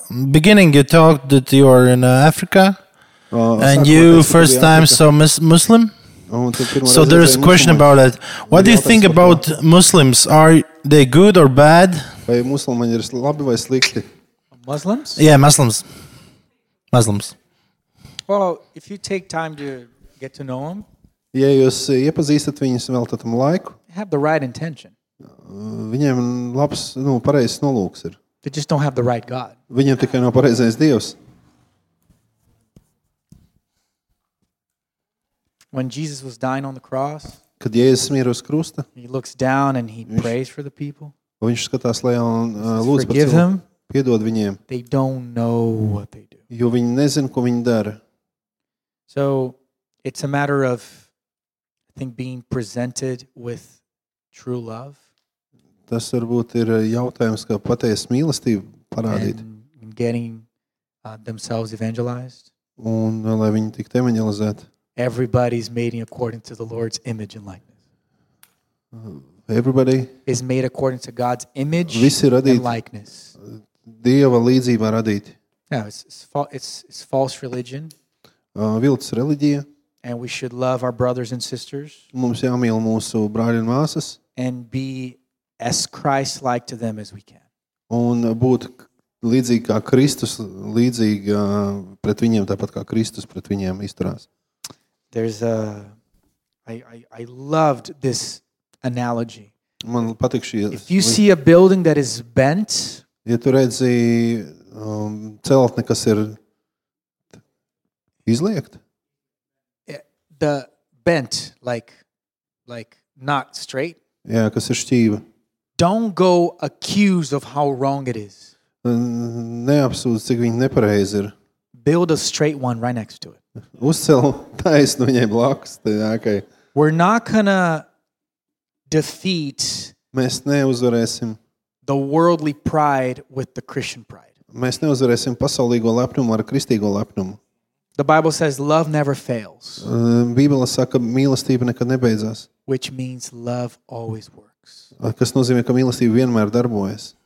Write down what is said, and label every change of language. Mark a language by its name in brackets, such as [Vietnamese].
[English] Beginning you talked that you are in Africa and you first time saw Muslim. So there is a question about it. What do you think about Muslims? Are they good or bad? [Latvian] Vai muslimi ir labi vai slikti? [English] Muslims? Yeah, Muslims. Muslims. Well, if you take time to get to know them. [Latvian] Ja jūs iepazīstat viņus vēl tam laiku. [English] Have the right intention. [Latvian] Viņiem labs, pareizs nolūks ir. [English] They just don't have the right God. [Latvian] Viņiem tikai nav pareizais Dievs. [English] When Jesus was dying on the cross, [Latvian] kad Jēzus mira uz krusta, [English] he looks down and he prays for the people. [Latvian] Viņš skatās lejā un lūdz par cilvēku. Piedod viņiem. [English] They don't know what they do. [Latvian] Jo viņi nezin, ko viņi dara. [English] So, it's a matter of, I think, being presented with true love. [Latvian] Tas varbūt ir jautājums, kā patiesa mīlestība parādīt. [English] And getting themselves evangelized. [Latvian] Un lai viņi tiktu evangelizēt. [English] Everybody's made according to the Lord's image and likeness. Everybody is made according to God's image and likeness. [Latvian] Dieva līdzībā radīti. [English] No, it's false religion. [Latvian] Viltus reliģija. [English] And we should love our brothers and sisters. [Latvian] Mums jāmīl mūsu brāļi un māsas. [English] And be as Christ-like to them as we can. [Latvian] Un būt līdzīgi kā Kristus, līdzīgi pret viņiem, tāpat kā Kristus pret viņiem izturās. [English] There's a I loved this analogy. [Latvian] Man patīk šī. [English] If you see a building that is bent, [Latvian] ja tu redzi celtni, kas ir izliekt. [English] The bent like not straight. [Latvian] Jā, kas ir šķīva. [English] Don't go accuse of how wrong it is. [Latvian] Neapsūdz, cik viņi nepareizi ir. [English] Build a straight one right next to it. [Latvian] Uzcel taisnu viņai blakus, tad okay. [English] We're not gonna defeat [Latvian] Mēs neuzvarēsim [English] the worldly pride with the Christian pride. [Latvian] Mēs neuzvarēsim pasaulīgo lepnumu ar kristīgo lepnumu. [English] The Bible says love never fails. [Latvian] Bībele saka, mīlestība nekad nebeidzās. [English] Which means love always works. [Latvian] Kas nozīmē, ka mīlestība vienmēr darbojas.